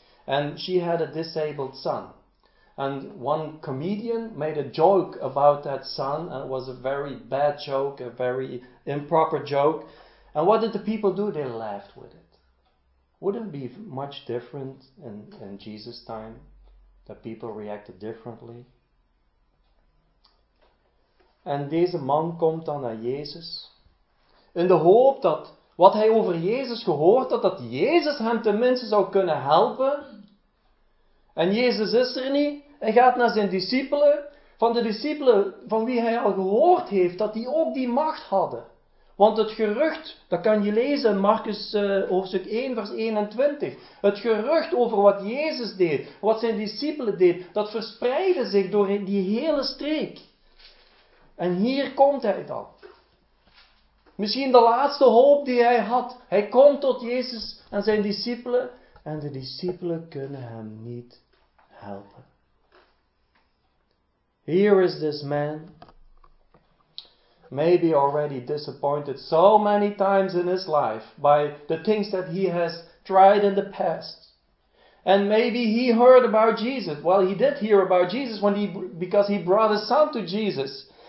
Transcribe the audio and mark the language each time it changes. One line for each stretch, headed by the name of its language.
English: And she had a disabled son. And one comedian made a joke about that son, and it was a very bad joke, a very improper joke. And what did the people do? They laughed with it. Wouldn't it be much different in Jesus' time that people reacted differently?
Dutch: En deze man komt dan naar Jezus in de hoop dat wat hij over Jezus gehoord had, dat Jezus hem tenminste zou kunnen helpen. En Jezus is er niet. Hij gaat naar zijn discipelen, van de discipelen van wie hij al gehoord heeft, dat die ook die macht hadden Want het gerucht, dat kan je lezen in Marcus hoofdstuk 1 vers 21. Het gerucht over wat Jezus deed, wat zijn discipelen deed, dat verspreidde zich door die hele streek. En hier komt hij dan. Misschien de laatste hoop die hij had. Hij komt tot Jezus en zijn discipelen. En de discipelen kunnen hem niet helpen.
English: Here is this man. Maybe already disappointed so many times in his life by the things that he has tried in the past. And maybe he heard about Jesus. Well, he did hear about Jesus because he brought his son to Jesus.